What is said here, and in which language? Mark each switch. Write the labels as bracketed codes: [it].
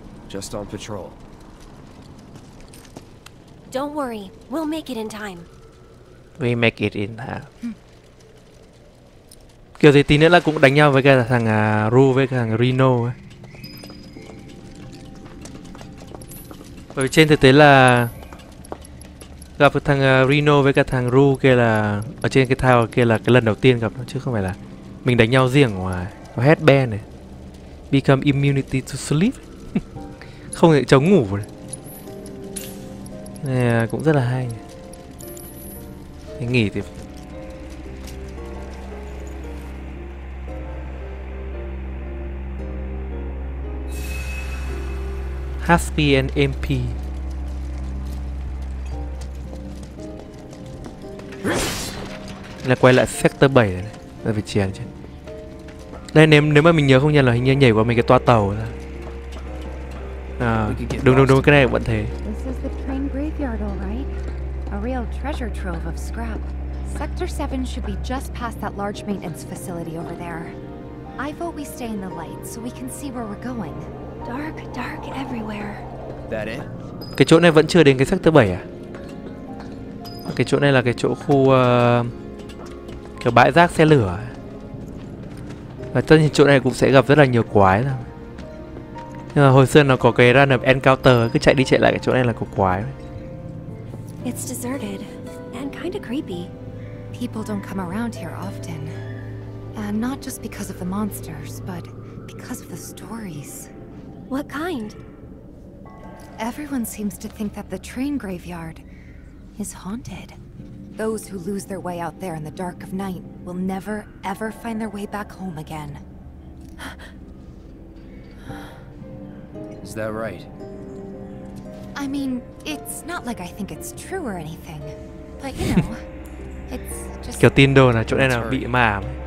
[en] Just on patrol. Don't worry, we'll make it in time. We make it in time. [vi] Kiểu gì tí nữa là cũng đánh nhau với cái thằng Ru với cái thằng Reno ấy. Bởi vì trên thực tế là gặp thằng Reno với cả thằng Ru kia là ở trên cái tower kia là cái lần đầu tiên gặp nó, chứ không phải là mình đánh nhau riêng ngoài. Nó headband này. [en] Become immunity to sleep. [vi] Không thể chống ngủ này. Này cũng rất là hay. Thế nghỉ thì Husky and MP. Là quay lại sector 7 này, ra vị trí chứ. Đây nếu mà mình nhớ không nhầm là hình như nhảy qua mấy cái toa tàu ra. À, đúng đúng đúng, cái này vẫn thế. [en] This is the train graveyard, all right? A real treasure trove of scrap. Sector 7 should be just past that large maintenance facility over there. I vote we stay in the light so we can see where we're going. Dark, dark everywhere. That it? [vi] Cái chỗ này vẫn chưa đến cái sector 7 à? Cái chỗ này là cái chỗ khu kiểu bãi rác xe lửa. Và tất nhiên chỗ này cũng sẽ gặp rất là nhiều quái rồi. Nhưng mà hồi xưa nó có cái random encounter, cứ chạy đi chạy lại cái chỗ này là có quái. [en] It's deserted and kind of creepy. People don't come around here often. And not just because of the monsters, but because of the stories. What kind? Everyone seems to think that the train graveyard is haunted. Those who lose their way out there in the dark of night will never, ever find their way back home again. Is that right? I mean, it's not like I think it's true or anything. But you know, it's just... [vi] Kiểu tin đồn là chỗ này nó bị ma ám.